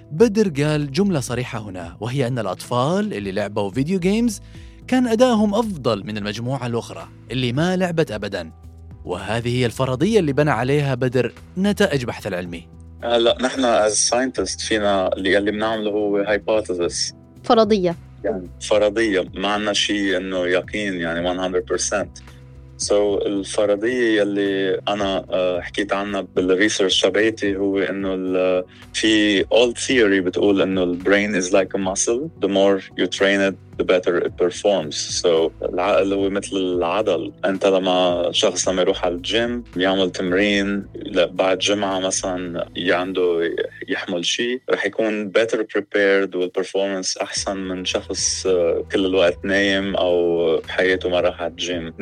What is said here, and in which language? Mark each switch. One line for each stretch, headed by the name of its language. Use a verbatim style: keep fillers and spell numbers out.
Arabic: بدر قال جملة صريحة هنا، وهي أن الأطفال اللي لعبوا فيديو جيمز كان أدائهم أفضل من المجموعة الأخرى اللي ما لعبت أبداً، وهذه هي الفرضية اللي بنى عليها بدر نتائج بحث العلمي. لا نحن
English: as scientists
Arabic: فينا اللي بنعمله هو hypothesis، فرضية، يعني فرضية، ما عنا شيء إنه يقين يعني مية بالمية.
English: so
Arabic: الفرضية اللي أنا حكيت عنها بالريسيرش تبعتي هو إنه في
English: old theory
Arabic: بتقول إنه ال
English: brain is like a muscle, the more you train it the better it performs.
Arabic: so العقل هو مثل العضل، أنت لما شخص لما يروح على الجيم يعمل تمرين بعد جمعة مثلا عنده يحمل شيء رح يكون
English: better prepared
Arabic: والperformance أحسن من شخص كل الوقت نايم أو بحياته ما راح على الجيم.